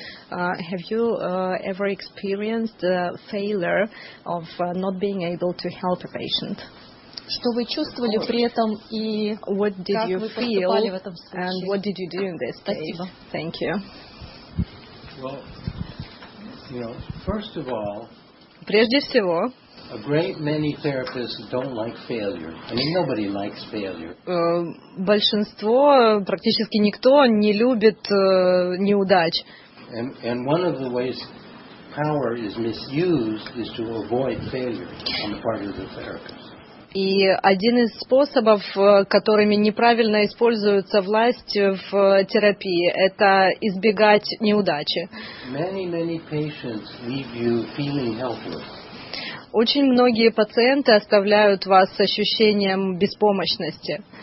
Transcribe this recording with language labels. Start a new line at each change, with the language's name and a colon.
English: Have you ever experienced the failure of not being able to help a patient?
Russian: Что вы чувствовали при этом и как вы поступали в этом случае?
English: And what did you do in this case?
Russian: Спасибо.
English: Thank you. Well, you know, first of all,
Russian: прежде всего,
English: a great many therapists don't like failure. I mean, nobody likes failure.
Russian: Большинство, практически никто, не любит неудач.
English: And one of the ways power is misused is to avoid failure on the part of the therapist.
Russian: И один из способов, которыми неправильно используется власть в терапии, это избегать неудачи.
English: Many patients leave you feeling helpless.
Russian: Очень многие пациенты оставляют вас с ощущением беспомощности.